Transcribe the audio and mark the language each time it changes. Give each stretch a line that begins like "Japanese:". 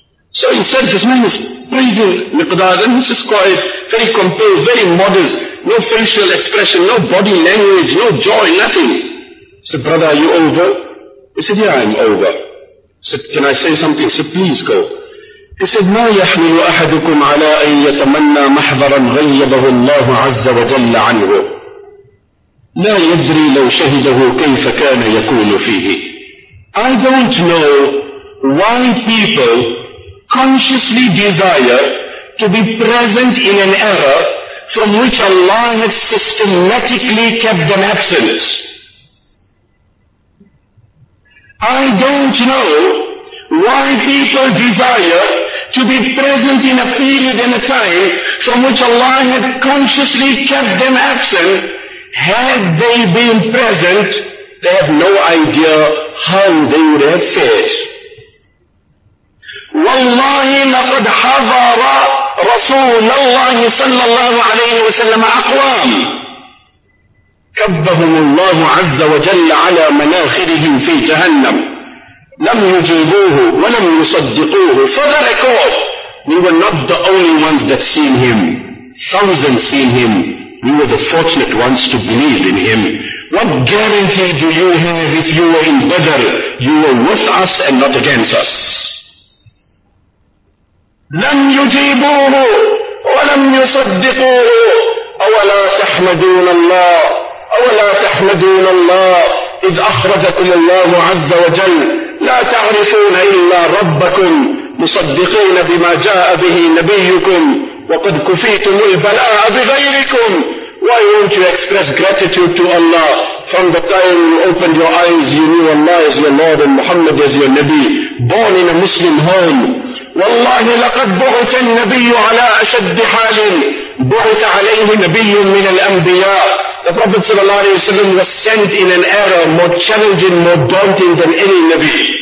English: So instead, this man is praising Miqdad, and he's just quiet, very composed, very modest, no facial expression, no body language, no joy, nothing. He said, brother, are you over? He said, yeah, I'm over. He said, can I say something? He said, please go.
Arabic: He said, مَا يَحْمِلُ أَحَدُكُمْ عَلَىٰ أَن يَتَمَنَّى مَحْضَرًا غَيَّبَهُ اللَّهُ عَزَّ وَجَلَّ عَنْهُ لا يدري لو شهده كيف كان يكون فيه.
English: I don't know why people consciously desire to be present in an era from which Allah had systematically kept them absent. I don't know why people desire to be present in a period and a time from which Allah had consciously kept them absent. Had they been present, they have no idea how they would have fared.
Arabic: وَاللَّهِ لَقَدْ حَذَرَ رَسُولَ اللَّهِ صَلَّى اللَّهُ عَلَيْهِ وَسَلَّمَ أَقْوَامٍ كَبَّهُمُ اللَّهُ عَزَّ وَجَلَّ عَلَى مَنَاخِرِهِمْ فِي جَهَنَّمْ لَمْ يُجِيبُوهُ وَلَمْ يُصَدِّقُوهُ
English: For the record, we were not the only ones that seen him. Thousands seen him. We were the fortunate ones to believe in him. What guarantee do you have if you were in Badr? You were with us and not against us.
Arabic: لَمْ يُجِيبُوهُ وَلَمْ يُصَدِّقُوهُ أَوَلَا تَحْمَدُونَ اللَّهُ أَوَلَا تَحْمَدُونَ اللَّهُ إِذْ أَخْرَجَكُمُ اللَّهُ عَزَّ وَجَلُّ لَا تَعْرِفُونَ إِلَّا رَبَّكُمْ مُصَدِّقِينَ بِمَا جَاءَ بِهِ نَبِيُّكُمْ وَقَدْ كُفِيتُمُ الْبَلَاءَ بِغَيْرِكُمْ
English: Why won't you express gratitude to Allah? From the time you opened your eyes, you knew Allah is your Lord and Muhammad is your Nabi. Born in a Muslim home.
Arabic: وَاللَّهِ لَقَدْ بُعْتَ النَّبِيُّ عَلَىٰ أَشَدِّ حَالٍ بُعْتَ عَلَيْهِ نَبِيٌّ مِنَ الْأَنْبِيَاءِ
English: The Prophet sallallahu alayhi wa sallam was sent in an era more challenging, more daunting than any Nabi.